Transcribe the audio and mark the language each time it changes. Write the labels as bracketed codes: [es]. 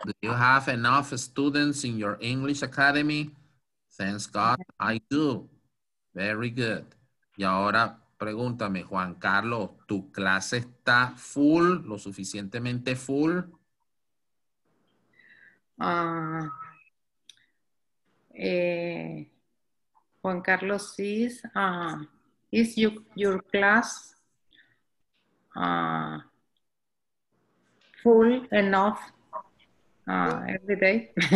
[en] Do you have enough students in your English academy? Thanks God, I do. Very good. [es] Y ahora pregúntame, Juan Carlos, ¿tu clase está full, lo suficientemente full? [en] Juan Carlos, is your class full enough every day?